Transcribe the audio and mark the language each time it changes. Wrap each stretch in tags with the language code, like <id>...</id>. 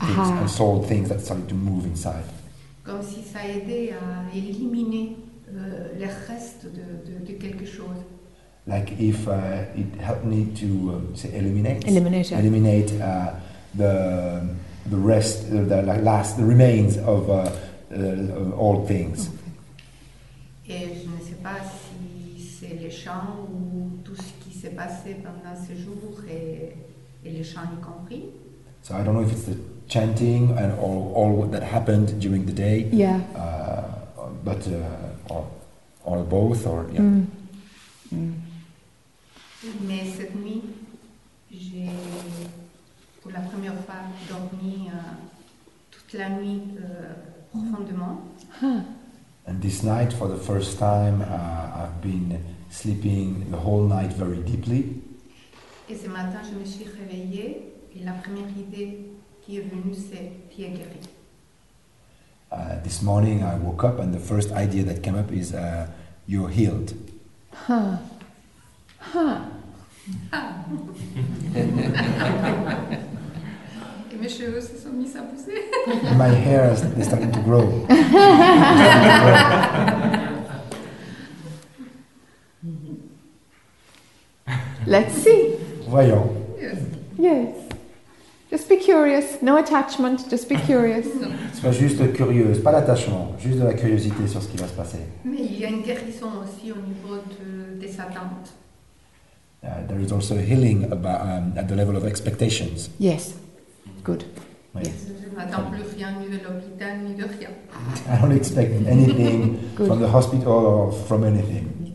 <en>Things, unsolved things that started to move inside.</en> <fr>Comme si ça aidait à éliminer les restes de quelque chose.</fr> <en>Like if it helped me to say eliminate. Yeah. Eliminate the rest, the last, the remains of all things. Okay.</en> <fr>Et je ne sais pas si c'est les chants ou tout ce qui s'est passé pendant ces jours et les chants y compris.</fr> <en>So I don't know if it's the chanting and all that happened during the day. Yeah. Mm. Mm.</en> <fr>Mais cette nuit, j'ai pour la première fois dormi toute la nuit profondément.</fr> <en>And this night, for the first time, I've been sleeping the whole night very deeply.</en> <fr>Et ce matin, je me suis réveillée et la première idée qui est venu, c'est qui est guéri.</fr> <en>This morning I woke up and the first idea that came up is you're healed.</en> <fr>Et mes cheveux se sont mis à pousser.</fr> <en>And my hair is starting to grow. Let's see.</en> <fr>Voyons.</fr> <en>Yes. Just be curious, no attachment, just be curious.</en> <fr>Sois juste curieuse, pas d'attachement, juste de la curiosité sur ce qui va se passer. Mais il y a une guérison aussi au niveau des attentes.</fr> <en>There is also a healing about at the level of expectations. Yes. Good. Yes. I don't expect anything from the hospital or from anything.</en>